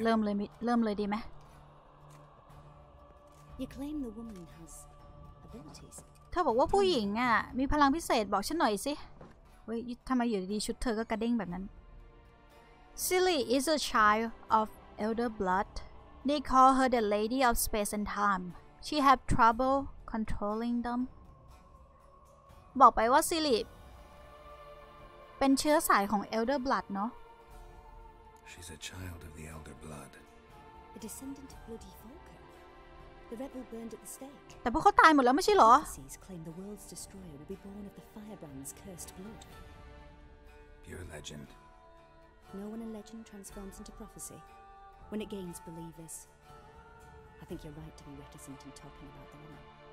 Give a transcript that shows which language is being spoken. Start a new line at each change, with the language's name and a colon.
Thai: เริ่มเลยดีไหม
English: You claim the woman has abilities
Thai: เธอบอกว่าผู้หญิงอ่ะมีพลังพิเศษบอกฉันหน่อยสิเฮ้ยทำไมอยู่ดีชุดเธอก็กระเด้งแบบนั้น
English: Silly is a child of elder blood. They call her the lady of space and time. She have trouble controlling them.
Thai: บอกไปว่า Silly เป็นเชื้อสายของ elder blood เนาะ
English: She's a child of the elder blood. A descendant of bloody folk. The rebel burned at the stake.
Thai: แต่พวกเขาตายหมดแล้วไม่ใช่เหรอ
English: Prophecies claim the world's destroyer will be born of the firebrand's cursed blood. Pure legend. No one in legend transforms into prophecy when it gains believers. I think you're right to be reticent in talking about the woman.